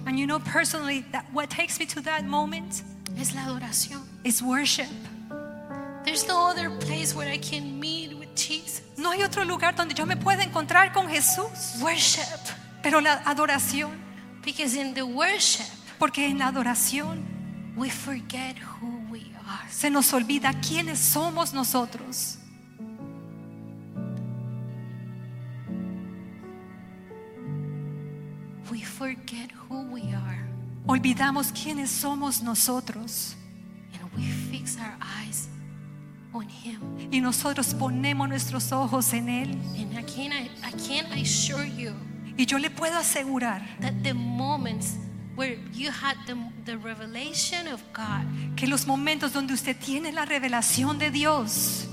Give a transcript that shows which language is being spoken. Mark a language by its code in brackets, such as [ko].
[en] And you know personally that what takes me to that moment [es] es la adoración. [en] Is worship. There's no other place where I can meet with Jesus. [es] No hay otro lugar donde yo me pueda encontrar con Jesús. [en] Worship. [es] Pero la adoración. [en] Because in the worship, [es] porque en la adoración, [en] we forget who we are. [es] Se nos olvida quiénes somos nosotros. [en] We forget who we are. [es] Olvidamos quiénes somos nosotros. [en] And we fix our eyes. On him. [es] Y nosotros ponemos nuestros ojos en él. [en] And I can assure you. [es] Y yo le puedo asegurar. [en] That the moments where you had the revelation of God. [es] Que los momentos donde usted tiene la revelación de Dios.